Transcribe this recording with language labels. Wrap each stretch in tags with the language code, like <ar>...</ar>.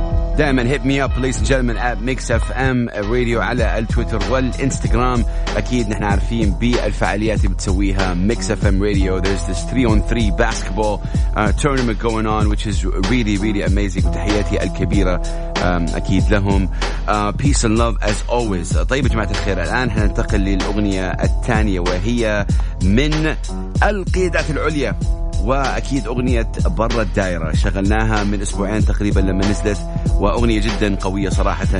<ar>دائما</ar> <en>hit me up ladies and gentlemen at Mix FM Radio</en> <ar>على التويتر والإنستغرام. أكيد نحن عارفين بالفعاليات اللي بتسويها Mix FM Radio.</ar> <en>There's this 3-on-3 basketball tournament going on, which is really really amazing.</en> <ar>وتحياتي الكبيرة أكيد لهم.</ar> <en>Peace and love as always.</en> <ar>طيب جماعة الخير, الآن هننتقل للأغنية الثانية, وهي من القيادات العليا, وأكيد أغنية برة الدائرة. شغلناها من أسبوعين تقريبا لما نزلت, وأغنية جدا قوية صراحة.</ar>